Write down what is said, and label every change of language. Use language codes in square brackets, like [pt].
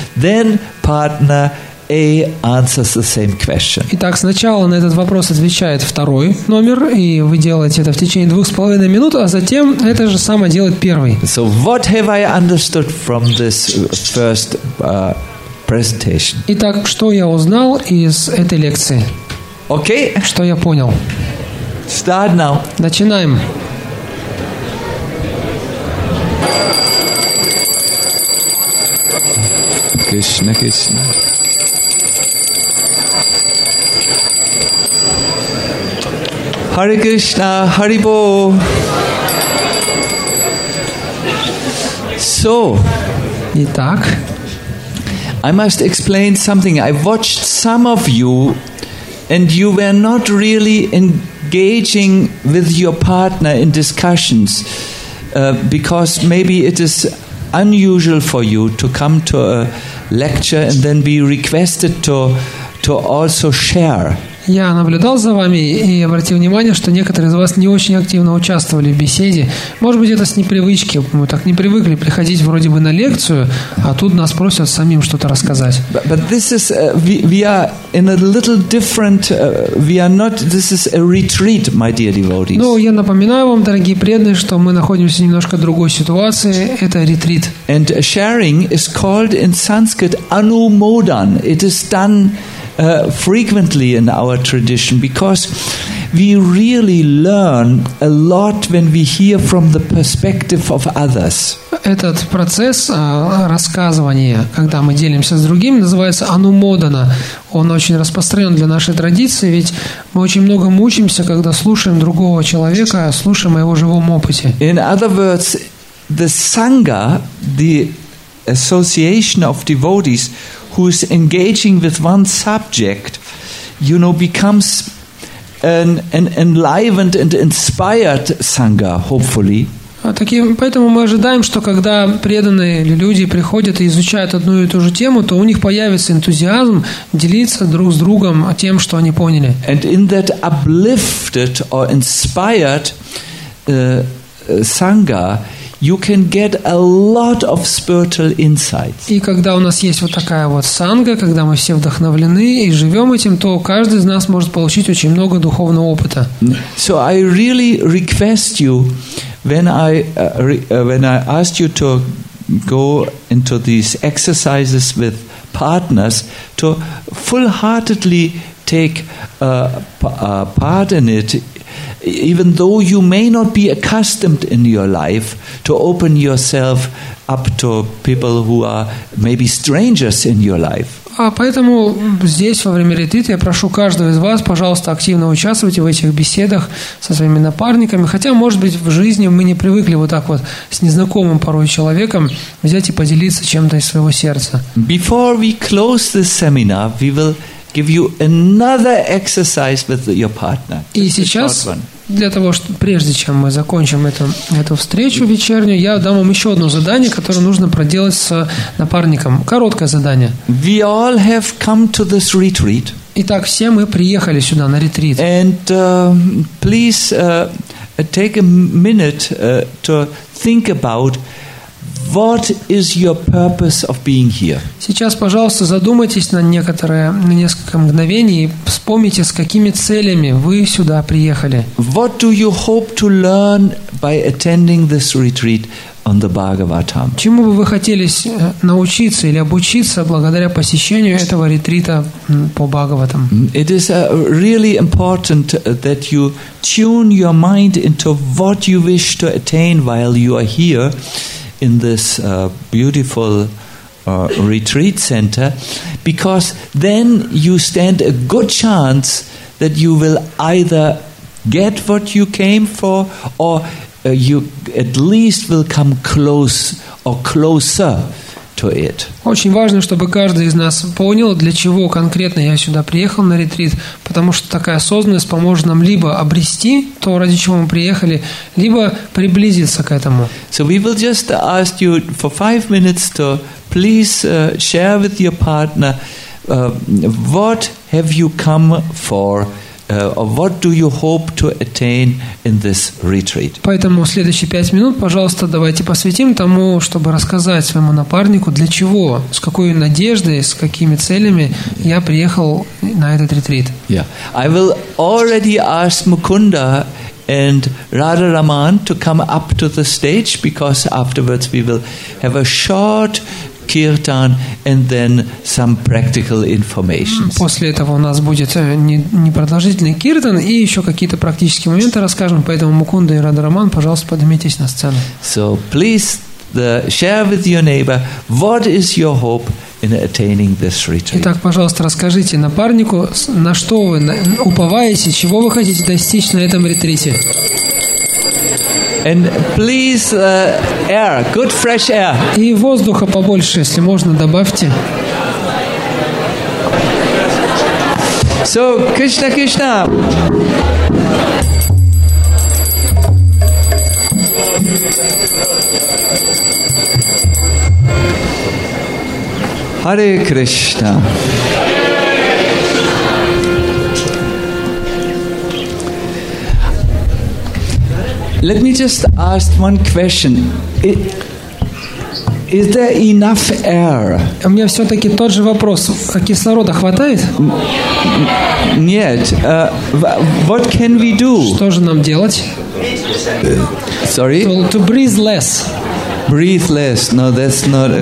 [en] Then partner A answers the same question. [ru] Итак, сначала на этот вопрос отвечает второй номер, и вы делаете это в течение 2.5 минут, а затем это же самое делает первый. [en] So what have I understood from this first presentation? [ru] Итак, что я узнал из этой лекции? [en] Okay. [ru] Что я понял? [en] Start now. [ru] Начинаем. [sa] Krishna, Krishna. Hare Krishna, Haribo. [en] So, [ru] итак, [en] I must explain something. I watched some of you, and you were not really engaging with your partner in discussions, because maybe it is unusual for you to come to a lecture and then be requested to also share. [ru] Я наблюдал за вами и обратил внимание, что некоторые из вас не очень активно участвовали в беседе. Может быть, это с непривычки. Мы так не привыкли приходить вроде бы на лекцию, а тут нас просят самим что-то рассказать. [en] But this is we are in a little different. We are not. This is a retreat, my dear devotees. [ru] Ну, я напоминаю вам, дорогие преданные, что мы находимся в немножко другой ситуации. Это ретрит. [en] And sharing is called in Sanskrit anumodan. It is done frequently in our tradition, because we really learn a lot when we hear from the perspective of others. [ru] Этот процесс рассказывания, когда мы делимся с другими, называется анумодана. Он очень распространен для нашей традиции, ведь мы очень много мучимся, когда слушаем другого человека, слушаем о его живом опыте. [en] In other words, the sangha, the association of devotees who is engaging with one subject, you know, becomes an enlivened and inspired sangha, hopefully. [ru] Поэтому мы ожидаем, что когда преданные люди приходят и изучают одну и ту же тему, то у них появится энтузиазм делиться друг с другом тем, что они поняли. [en] And in that uplifted or inspired sangha, you can get a lot of spiritual insights. [ru] И когда у нас есть вот такая вот санга, когда мы все вдохновлены и живем этим, то каждый из нас может получить очень много духовного опыта. [en] So I really request you, when I asked you to go into these exercises with partners, to full-heartedly take part in it, even though you may not be accustomed in your life to open yourself up to people who are maybe strangers in your life. [ru] А поэтому здесь во время ретрита я прошу каждого из вас, пожалуйста, активно участвуйте в этих беседах со своими напарниками, хотя, может быть, в жизни мы не привыкли вот так вот с незнакомым порой человеком взять и поделиться чем-то из своего сердца. [en] Before we close this seminar, we will give you another exercise with your partner. [ru] И сейчас для того, что, прежде чем мы закончим эту встречу вечернюю, я дам вам еще одно задание, которое нужно проделать с напарником. Короткое задание. [en] We all have come to this retreat. [ru] Итак, все мы приехали сюда на ретрит. [en] And please take a minute to think about what is your purpose of being here. [ru] Сейчас, пожалуйста, задумайтесь на несколько мгновений и вспомните, с какими целями вы сюда приехали. [en] What do you hope to learn by attending this retreat on the Bhagavatam? [ru] Чему бы вы хотели научиться или обучиться благодаря посещению этого ретрита по Бхагаватам? [en] It is really important that you tune your mind into what you wish to attain while you are here in this beautiful retreat center, because then you stand a good chance that you will either get what you came for, or you at least will come close or closer to it. [ru] Очень важно, чтобы каждый из нас понял, для чего конкретно я сюда приехал на ретрит, потому что такая осознанность поможет нам либо обрести то, ради чего мы приехали, либо приблизиться к этому. [en] So we will just ask you for 5 minutes to please share with your partner what have you come for. What do you hope to attain in this retreat? [ru] Поэтому следующие 5 минут, пожалуйста, давайте посвятим тому, чтобы рассказать своему напарнику, для чего, с какой надеждой, с какими целями я приехал на этот ретрит. [en] Yeah. I will already ask Mukunda and Radharaman to come up to the stage, because afterwards we will have a short kirtan and then some practical information. [ru] После этого у нас будет непродолжительный киртан и еще какие-то практические моменты расскажем, поэтому Мукунда и Радхараман, пожалуйста, поднимитесь на сцену. [en] So please share with your neighbor what is your hope in attaining this retreat. [ru] Итак, пожалуйста, расскажите напарнику, на что вы уповаете, чего вы хотите достичь на этом ретрите. [en] And please, air, good fresh air. [ru] И воздуха побольше, если можно, добавьте. [en] So, Krishna, Krishna. [sa] Hare Krishna. [en] Let me just ask one question. Is there enough air? [ru] У меня все-таки тот же вопрос. Кислорода хватает? Нет. [en] What can we do? [ru] Что же нам делать? [en] Sorry? To breathe less. Breathe less. No, that's not a